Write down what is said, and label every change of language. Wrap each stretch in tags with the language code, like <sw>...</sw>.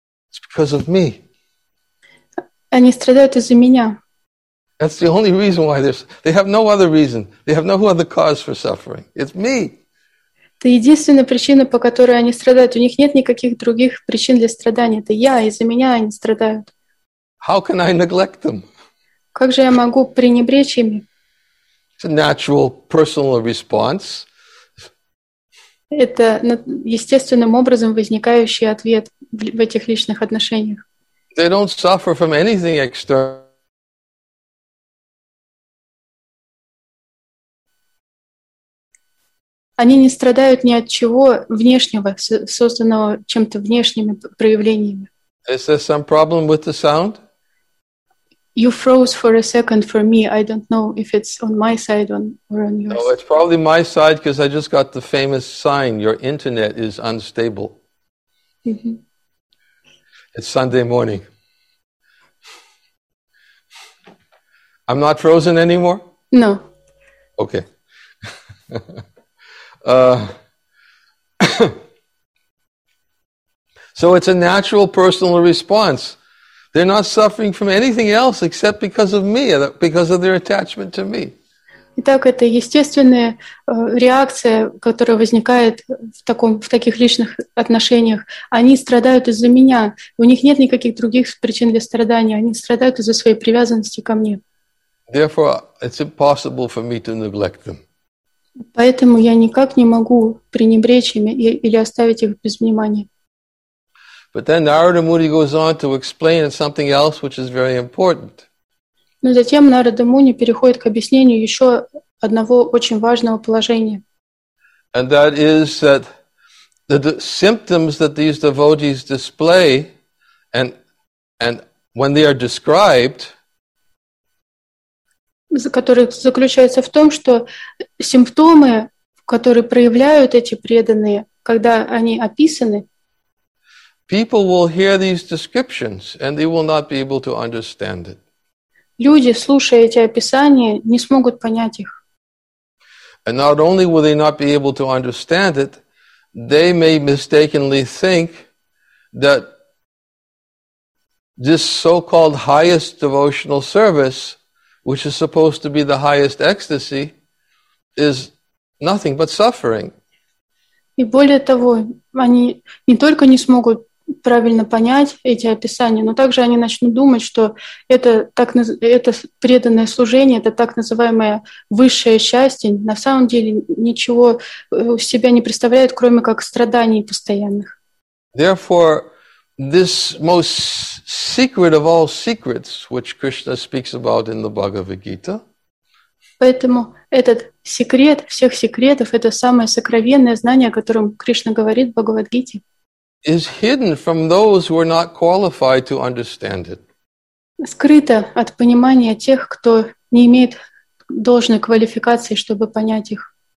<en>It's because of me.</en> <ru>Они страдают из-за меня.</ru> <en>That's the only reason why they're suffering. They have no other reason. They have no other cause for suffering. It's me.</en> <ru>Это единственная причина, по которой они страдают. У них нет никаких других причин для страдания. Это я, из-за меня они страдают.</ru> <en>How can I neglect them?</en> <ru>Как же я могу пренебречь ими?</ru> <en>It's a natural personal response.</en> <ru>Это естественным образом возникающий ответ в этих личных отношениях.</ru> <en>They don't suffer from anything external.</en> <ru>Они не страдают ни от чего внешнего, созданного чем-то внешними проявлениями.</ru> <en>Is there some problem with the sound? You froze for a second for me. I don't know if it's on my side or on yours. No, it's probably my side because I just got the famous sign, your internet is unstable. Mm-hmm. It's Sunday morning. I'm not frozen anymore? No. Okay. So it's a natural personal response. They're not suffering from anything else except because of me, because of their attachment to me.</en> <ru>Итак, это естественная реакция, которая возникает в таких личных отношениях. Они страдают из-за меня. У них нет никаких других причин для страдания. Они страдают из-за своей привязанности ко мне.</ru> <en>Therefore, it's impossible for me to neglect them.</en> <ru>Поэтому я никак не могу пренебречь ими или оставить их без внимания.</ru> <en>But then Narada Muni goes on to explain something else, which is very important.</en> <ru>Но затем Нарада Муни переходит к объяснению еще одного очень важного положения.</ru> <en>And that is that the symptoms that these devotees display and when they are described,</en> <ru>который заключается в том, что симптомы, которые проявляют эти преданные, когда они описаны,</ru> <en>people will hear these descriptions and they will not be able to understand it.</en> <ru>Люди, слушая эти описания, не смогут понять их.</ru> <en>And not only will they not be able to understand it, they may mistakenly think that this so-called highest devotional service, which is supposed to be the highest ecstasy, is nothing but suffering.</en> <ru>И более того, они не только не смогут правильно понять эти описания, но также они начнут думать, что это преданное служение, это так называемое высшее счастье, на самом деле ничего у себя не представляет, кроме как страданий постоянных.</ru> <en>Therefore, this most secret of all secrets, which Krishna speaks about in the Bhagavad Gita.</en> <ru>Поэтому этот секрет всех секретов, это самое сокровенное знание, о котором Кришна говорит в Бхагавад-гите,</ru> <en>is hidden from those who are not qualified to understand it.</en> <ru>Скрыто от понимания тех, кто не имеет должной квалификации, чтобы понять их.</ru>